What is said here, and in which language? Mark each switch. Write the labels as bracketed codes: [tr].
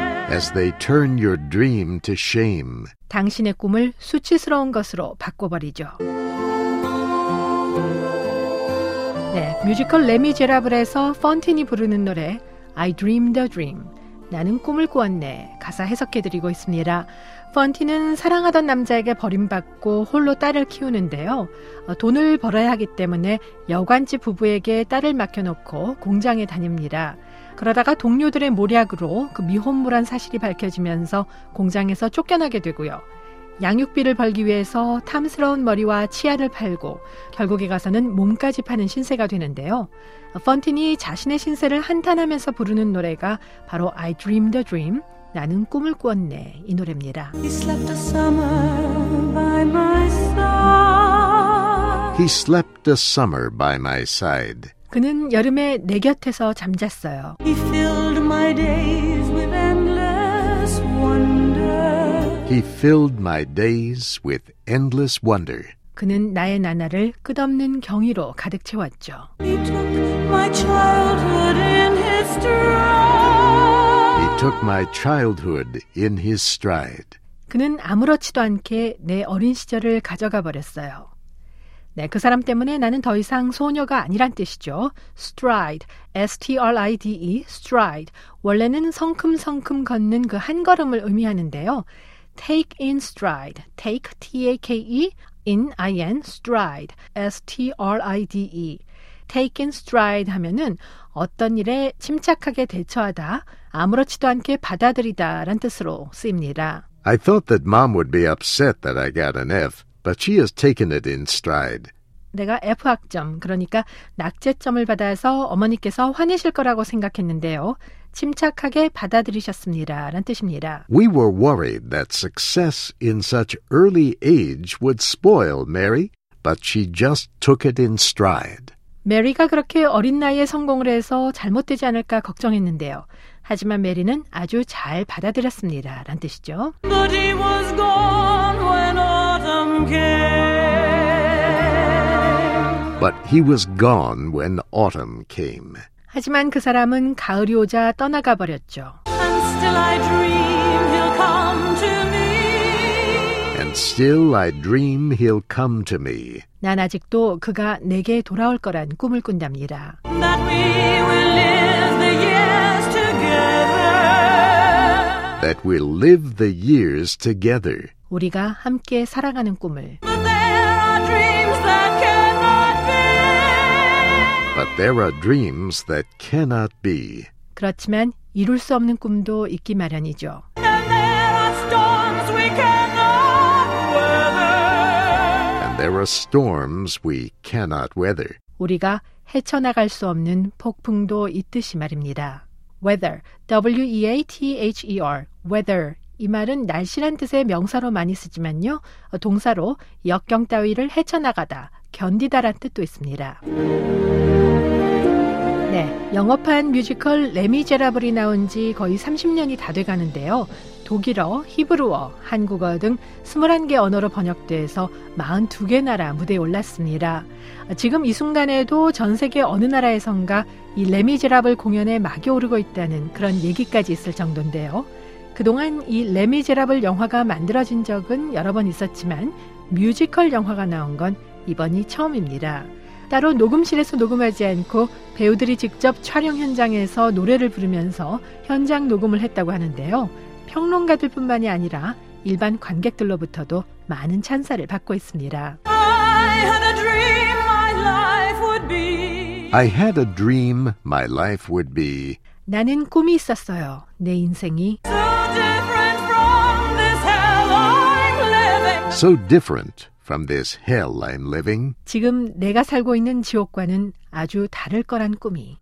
[en] As they turn your dream to shame. [ko] 당신의 꿈을 수치스러운 것으로 바꿔버리죠. 네, 뮤지컬 레미제라블에서 펀틴이 부르는 노래 I dreamed a dream. 나는 꿈을 꾸었네. 가사 해석해드리고 있습니다. 펀틴은 사랑하던 남자에게 버림받고 홀로 딸을 키우는데요. 돈을 벌어야 하기 때문에 여관집 부부에게 딸을 맡겨놓고 공장에 다닙니다. 그러다가 동료들의 모략으로 그 미혼모란 사실이 밝혀지면서 공장에서 쫓겨나게 되고요. 양육비를 벌기 위해서 탐스러운 머리와 치아를 팔고 결국에 가서는 몸까지 파는 신세가 되는데요. 펀틴이 자신의 신세를 한탄하면서 부르는 노래가 바로 I Dreamed a Dream, 나는 꿈을 꾸었네, 이 노래입니다. [en] He slept a summer by my side. He slept a summer by my side. [ko] 그는 여름에 내 곁에서 잠잤어요. [en] He filled my days with endless wonder. He filled my days with endless wonder. [ko] 그는 나의 나날을 끝없는 경이로 가득 채웠죠. [en] He took my childhood in his stride. He took my childhood in his stride. [ko] 그는 아무렇지도 않게 내 어린 시절을 가져가 버렸어요. 네, 그 사람 때문에 나는 더 이상 소녀가 아니란 뜻이죠. [en] Stride, S-T-R-I-D-E, stride. [ko] 원래는 성큼성큼 걷는 그 한 걸음을 의미하는데요. [en] Take in stride, take, T-A-K-E, in, I-N, stride, S-T-R-I-D-E. [ko] Take in stride 하면은 어떤 일에 침착하게 대처하다, 아무렇지도 않게 받아들이다 라는 뜻으로 쓰입니다. [en] I thought that mom would be upset that I got an F. But she has taken it in stride. [ko] 내가 F학점, 그러니까 낙제점을 받아서 어머니께서 화내실 거라고 생각했는데요. 침착하게 받아들이셨습니다. 라는 뜻입니다. [en] We were worried that success in such early age would spoil Mary, but she just took it in stride. [ko] 메리가 그렇게 어린 나이에 성공을 해서 잘못되지 않을까 걱정했는데요. 하지만 메리는 아주 잘 받아들였습니다. 라는 뜻이죠. [en] But he was gone when autumn came. But he was gone when autumn came. [ko] 하지만 그 사람은 가을이 오자 떠나가 버렸죠. [en] And still I dream he'll come to me. And still I dream he'll come to me. [ko] 난 아직도 그가 내게 돌아올 거란 꿈을 꾼답니다. [en] That we will live the years together. That we'll live the years together. [ko] 우리가 함께 살아가는 꿈을. [en] But there are dreams that cannot be. But there are dreams that cannot be. [ko] 그렇지만 이룰 수 없는 꿈도 있기 마련이죠. [en] And there are storms we cannot. There are storms we cannot weather. [ko] 우리가 헤쳐나갈 수 없는 폭풍도 있듯이 말입니다. [en] Weather, W-E-A-T-H-E-R, weather. [ko] 이 말은 날씨란 뜻의 명사로 많이 쓰지만요. 동사로 역경 따위를 헤쳐나가다, 견디다란 뜻도 있습니다. 네, 영업한 뮤지컬 레미제라블이 나온 지 거의 30년이 다 돼가는데요. 독일어, 히브루어, 한국어 등 21개 언어로 번역돼서 42개 나라 무대에 올랐습니다. 지금 이 순간에도 전 세계 어느 나라에선가 이 레미제라블 공연에 막이 오르고 있다는 그런 얘기까지 있을 정도인데요. 그동안 이 레미제라블 영화가 만들어진 적은 여러 번 있었지만 뮤지컬 영화가 나온 건 이번이 처음입니다. 따로 녹음실에서 녹음하지 않고 배우들이 직접 촬영 현장에서 노래를 부르면서 현장 녹음을 했다고 하는데요. 평론가들 뿐만이 아니라 일반 관객들로부터도 많은 찬사를 받고 있습니다. [en] I had a dream my life would be. I had a dream my life would be. [ko] 나는 꿈이 있었어요. 내 인생이. [en] So different from this hell I'm living. So different from this hell I'm living. [ko] 지금 내가 살고 있는 지옥과는 아주 다를 거란 꿈이.